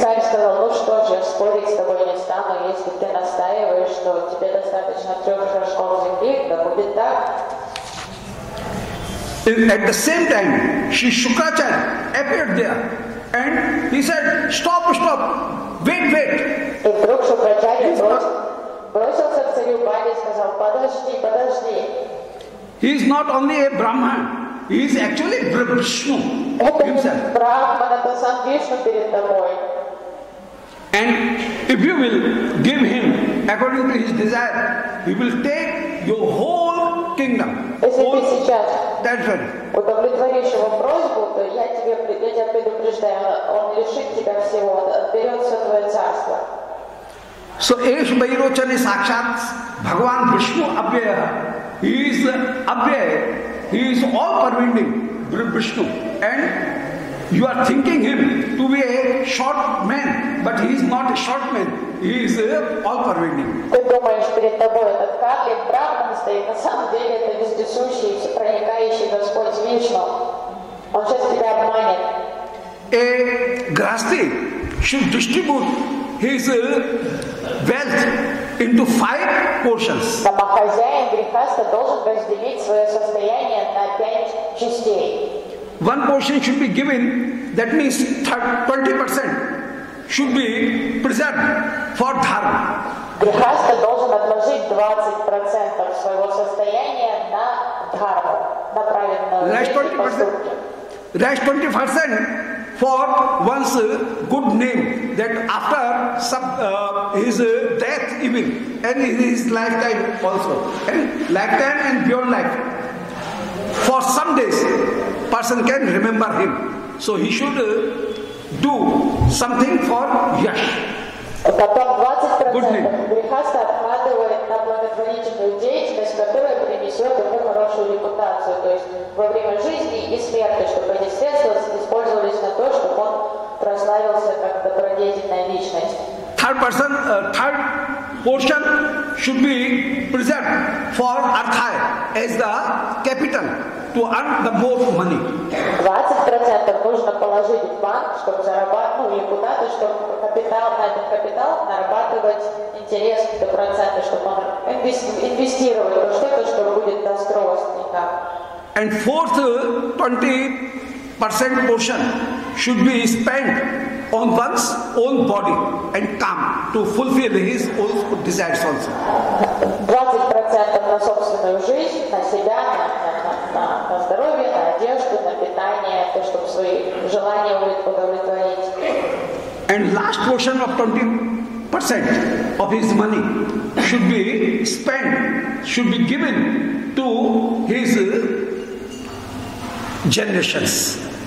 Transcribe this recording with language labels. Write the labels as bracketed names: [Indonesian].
[Russian] Царь сказал, ну что же, спорить с тобой не стану, если ты настаиваешь, что тебе достаточно трех шашков земли, да будет так. [English] At the same time, Shri Shukracharya appeared there. And he said, stop, stop, wait, wait. [Russian] И вдруг Шукрачарья бросился к царю Бали и сказал, подожди, подожди. [English] He is not only a Brahman, he is actually Vishnu himself. [Russian] Brahman, это сам Вишну перед тобой. [English] And if you will give him according to his desire, he will take your whole kingdom. [Russian] Если ты сейчас удовлетворишь его просьбу, то я тебя предупреждаю, он лишит тебя всего, отберет все твое царство. [Sanskrit] So Esh Bhairochane Sakshat Bhagavan Vishnu Abhyaya. [English] He is Abhyaya. He is all pervading Vishnu. And you are thinking him to be a short man, but he is not a short man. He is all pervading. [Russian] Ты думаешь, перед тобой этот карлик Брахман стоит, на самом деле это вездесущий, проникающий Господь Вишну. Он сейчас тебя обманет. [English] A grahasthi should distribute his wealth into five portions. [Russian] Сама хозяин грехаста должен разделить свое состояние на пять частей. [English] One portion should be given, that means 20% should be preserved for dharma. [Russian] Грехаста должен отложить 20% своего состояния на дхарму, на правильные поступки. [English] Rest 20% for one's good name, that after his death even, and his lifetime also, and lifetime and beyond life, for some days, person can remember him. So he should do something for yash. [Russian] Потом 20% грехаста откладывает на благотворительную деятельность, которая принесет ему хорошую репутацию. То есть во время жизни и смерти, чтобы эти средства использовались на то, чтобы он прославился как добродетельная личность. [English] Third portion should be preserved for Arthaya as the capital to earn the more money. [Russian] 20% нужно положить в банк, чтобы зарабатывать, ну, куда-то, чтобы капитал, на этот капитал нарабатывать интерес, это проценты, чтобы он инвестировал во что-то, что будет достроиться. [English] And fourth 20% portion should be spent on one's own body and come to fulfill his own desires also. [Russian] 20% на собственную жизнь, на себя, на здоровье, на одежду, на питание, то, чтобы свои желания удовлетворить. [English] And last portion of 20% of his money should be spent, should be given to his generations.